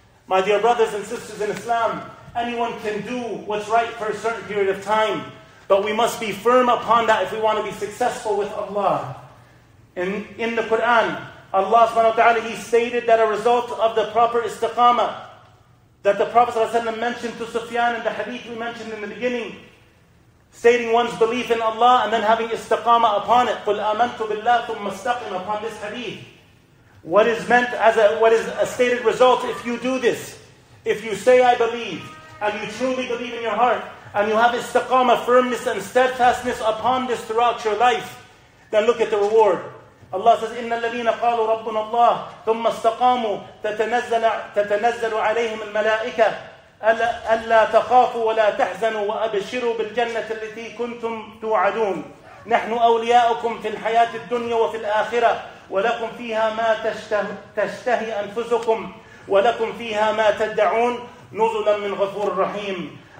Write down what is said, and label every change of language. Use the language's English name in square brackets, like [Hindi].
[English] My dear brothers and sisters in Islam, anyone can do what's right for a certain period of time, but we must be firm upon that if we want to be successful with Allah. In the Quran, Allah subhanahu wa ta'ala, He stated that a result of the proper istiqamah that the Prophet sallallahu alaihi wasallam mentioned to Sufyan in the hadith we mentioned in the beginning, stating one's belief in Allah and then having istiqamah upon it. [Arabic] قُلْ آمَنْتُ بِاللَّهِ ثُمَّ اسْتَقِمْ, [English] upon this hadith. What is meant as a stated result if you do this? If you say I believe and you truly believe in your heart, and you have istiqamah, firmness and steadfastness upon this throughout your life, then look at the reward. Allah says, [Arabic] إِنَّ الَّذِينَ قَالُوا رَبُّنَ اللَّهِ ثُمَّ اسْتَقَامُوا تَتَنَزَّلُ عَلَيْهِمُ الْمَلَائِكَةِ أَلَّا تَخَافُوا وَلَا تَحْزَنُوا وَأَبْشِرُوا بِالْجَنَّةِ الَّتِي كُنْتُمْ تُوعَدُونَ نَحْنُ أَوْلِيَاؤُكُمْ فِي الْحَيَاةِ الدُّنْيَا وَفِي الْآخِرَةِ وَلَكُمْ فِيهَا مَا تَشْتَهِي أَنفُسُكُمْ وَلَكُمْ فِيهَا مَا تَدَّعُونَ نُزُلًا مِنْ غَفُورٍ رَحِيمٍ.